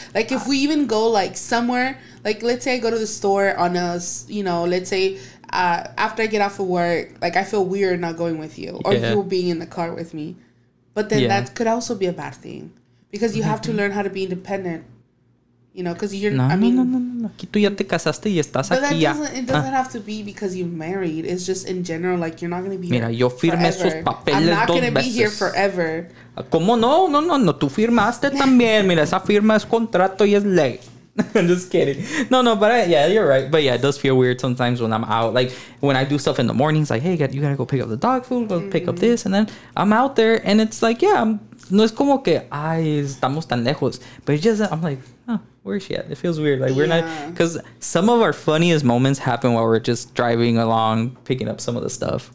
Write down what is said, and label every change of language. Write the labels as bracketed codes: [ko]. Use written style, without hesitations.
[en] Like, if we even go, like, somewhere, like, let's say I go to the store on us, you know, let's say after I get off of work, like, I feel weird not going with you or you being in the car with me. But then that could also be a bad thing because you have to learn how to be independent. You know, because you're... No. [es] Aquí tú ya te casaste y estás aquí ya. [en] It doesn't have to be because you're married. It's just in general, like, you're not going to be here forever. [es] Mira, yo firmé sus papeles dos veces. [en] I'm not going to be here forever. [es] ¿Cómo no? No. Tú firmaste también. Mira, esa firma es contrato y es ley. [en] I'm just kidding. No, but you're right. But yeah, it does feel weird sometimes when I'm out. Like, when I do stuff in the mornings, like, hey, you got to go pick up the dog food. Go pick up this. And then I'm out there and it's like, yeah, [es] no es como que, ay, estamos tan lejos. [en] But it's just, I'm like... Where is she at? It feels weird. Like, we're not... Because some of our funniest moments happen while we're just driving along, picking up some of the stuff.